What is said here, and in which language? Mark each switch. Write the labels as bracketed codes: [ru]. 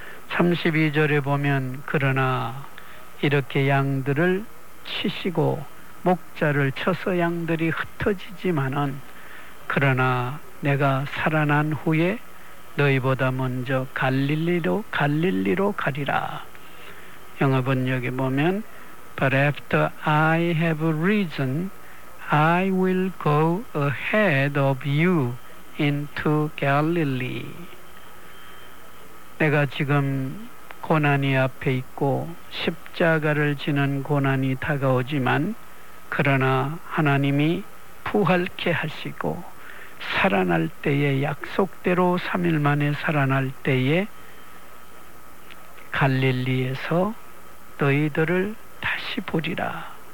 [ko] 32절에 보면 그러나 이렇게 양들을 치시고 목자를 쳐서 양들이 흩어지지만은 그러나 내가 살아난 후에 너희보다 먼저 갈릴리로 가리라. 영어 번역에 보면 [en] But after I have risen, I will go ahead of you into Galilee. [ko] 내가 지금 고난이 앞에 있고 십자가를 지는 고난이 다가오지만 그러나 하나님이 부활케 하시고 살아날 때에 약속대로 3일 만에 살아날 때에 갈릴리에서 너희들을 다시 보리라.